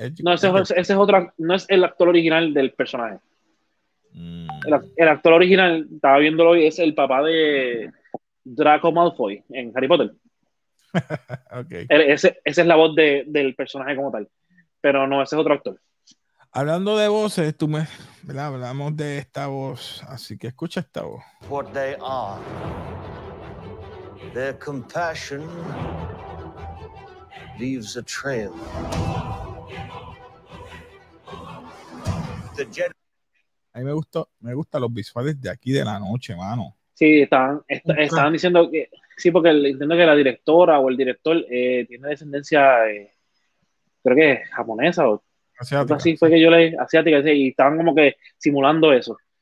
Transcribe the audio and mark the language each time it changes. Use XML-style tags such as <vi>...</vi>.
<es>No es el actor original del personaje. El actor original, estaba viéndolo hoy, es el papá de Draco Malfoy en Harry Potter.</es> <en>Okay.</en> <es>Esa es la voz del personaje como tal, pero no, ese es otro actor. Hablando de voces, ¿verdad? Hablamos de esta voz, así que escucha esta voz.</es> <en>What they are. Their compassion leaves a trail.</en> <es>A mí me gustan los visuales de aquí de la noche, mano. Sí, estaban diciendo que sí, porque entiendo que la directora o el director tiene descendencia, creo que japonesa o asiática. Así fue que yo leí asiática, sí, y estaban como que simulando eso, sí.</es>